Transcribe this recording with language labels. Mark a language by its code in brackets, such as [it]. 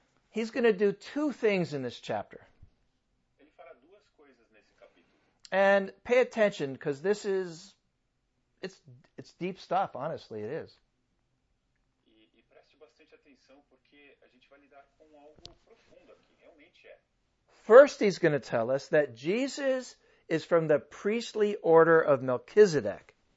[en] He's going to do two things in this chapter. [pt] Ele fará duas coisas nesse capítulo. [en] And pay attention, because this is, it's deep stuff, honestly, it is. [pt] E preste bastante atenção, porque a gente vai lidar com algo profundo aqui, realmente é. [en] First, he's going to tell us that Jesus is from the priestly order of Melchizedek.